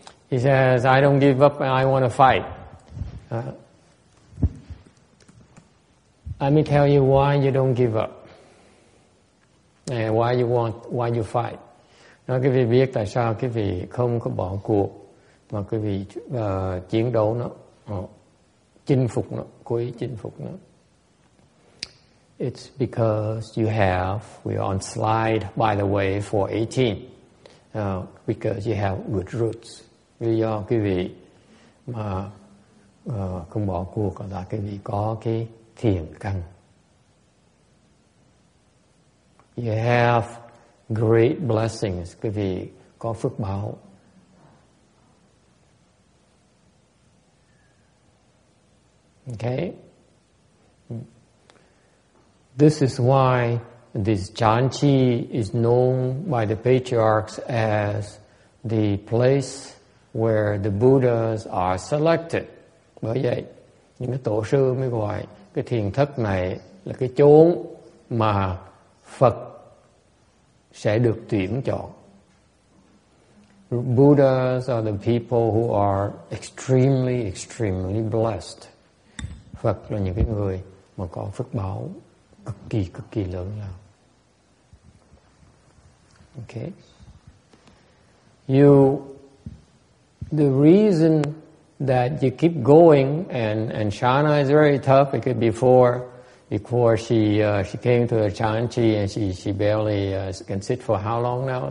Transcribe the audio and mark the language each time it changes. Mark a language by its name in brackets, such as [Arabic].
[English] He says, I don't give up and I want to fight. Let me tell you why you don't give up. And why you fight. [Vietnamese] Nói quý vị biết tại sao quý vị không có bỏ cuộc mà quý vị chiến đấu nó, chinh phục nó, cố ý chinh phục nó. [English] It's because you have, we are on slide, by the way, 418. Because you have good roots. [Vietnamese] Vì do quý vị mà không bỏ cuộc là quý vị có cái thiền căn. [English] You have great blessings. [Vietnamese] Quý vị có phước báo. [English] Okay? This is why this Janchi is known by the patriarchs as the place where the Buddhas are selected. [Vietnamese] Bởi vậy, những cái tổ sư mới gọi cái thiền thất này là cái chốn mà Phật sẽ được tuyển chọn. [English] Buddhas are the people who are extremely, extremely blessed. [Vietnamese] Phật là những cái người mà có phước báo cực kỳ lớn là. [English] Okay. The reason that you keep going and Shana is very tough because before she came to the Chanchi and she barely can sit for how long now?